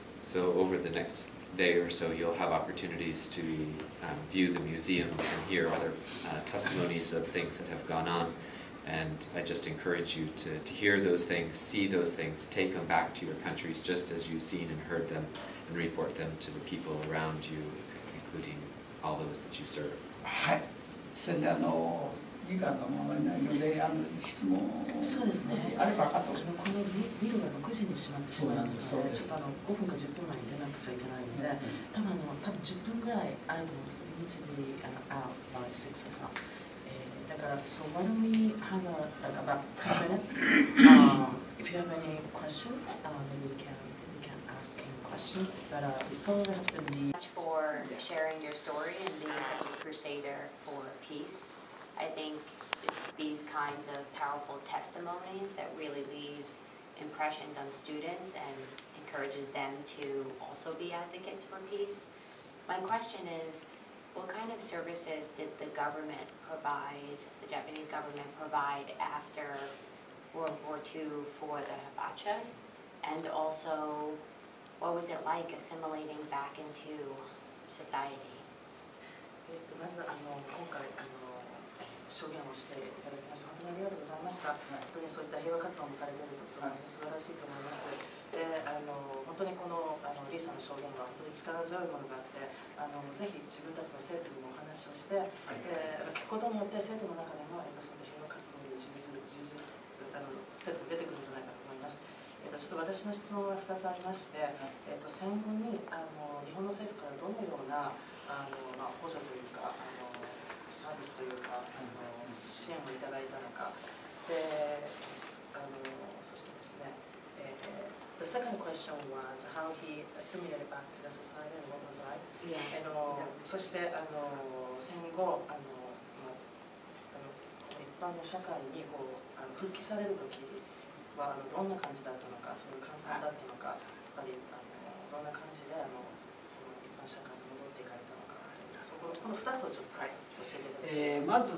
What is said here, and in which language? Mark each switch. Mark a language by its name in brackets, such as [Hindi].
[English] So over the next day or so, you'll have opportunities to view the museums and hear other testimonies of things that have gone on. And I just encourage you to hear those things, see those things, take them back to your countries just as you've seen and heard them, and report them to the people around you, including all those that you serve. [Japanese] はい。それであの時間が回れないので、あの質問。そうですね。あればあと。このビルが6時に閉まってしまったので、ちょっとあの5分か10分前に出なくちゃいけないので、多分あの多分10分ぐらいあると思います。 [English] Need to be an hour by 6 o'clock. So why don't we have about 10 minutes? If you have any questions, maybe we can ask him questions. But we probably have to leave. Thank you much for sharing your story and being a crusader for peace. I think it's these kinds of powerful testimonies that really leaves impressions on students and encourages them to also be advocates for peace. My question is,What kind of services did the government provide, the Japanese government provide after World War II for the Hibakusha? And also, what was it like assimilating back into society? [Japanese] まず、あの、今回、あの、証言をしていただきまして、本当にありがとうございました。本当にそういった平和活動もされているということは素晴らしいと思います。で、あの、本当にこの、あの、リーさんの証言は本当に力強いものがあって、あの、ぜひ自分たちの生徒にもお話をして、聞くことによって生徒の中でも、やっぱその平和活動に従事する、あの、生徒が出てくるんじゃないかと思います。ちょっと私の質問は2つありまして、戦後に、あの、日本の政府からどのような、あの、まあ、補助というか、あの、サービスというか、あの、支援をいただいたのか。で、あの、そしてですね、 [English] The second question was how he assimilated back to the society and what was I? Yeah. [Japanese] And, そしてあの戦後あの、まあ、あの一般の社会にこうあの復帰される時はあのどんな感じだったのかそういう感覚だったのかやっぱりあのどんな感じであの一般社会に戻っていかれたのかそこの2つをちょっと教えていただき